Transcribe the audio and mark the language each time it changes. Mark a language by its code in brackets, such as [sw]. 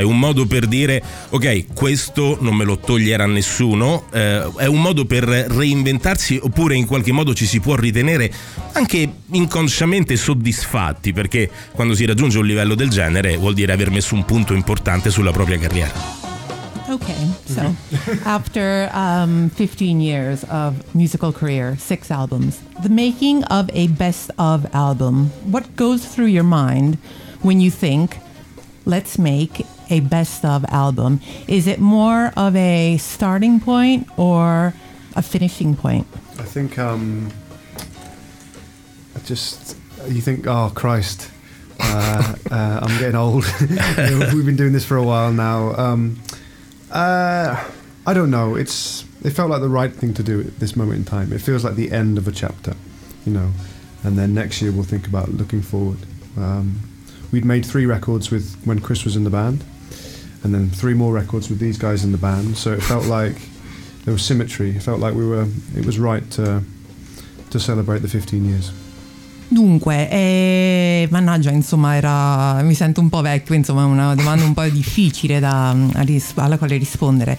[it] È un modo per dire, ok, questo non me lo toglierà nessuno, è un modo per reinventarsi oppure in qualche modo ci si può ritenere anche inconsciamente soddisfatti, perché quando si raggiunge un livello del genere vuol dire aver messo un punto importante sulla propria carriera. [en] Okay, so after 15 years of musical career, 6 albums, the making of a best of album, what goes through your mind when you think, let's make a best of album? Is it more of a starting point or a finishing point? I think you think, oh Christ, I'm getting old. We've been doing this for a while now. I don't know. It felt like the right thing to do at this moment in time. It feels like the end of a chapter, you know, and then next year we'll think about looking forward. We'd made 3 records with when Chris was in the band, and then 3 more records with these guys in the band. So it felt like there was symmetry. It felt like it was right to celebrate the 15 years. [it] Dunque, mannaggia, insomma, mi sento un po' vecchio, insomma, una domanda un po' difficile alla quale rispondere.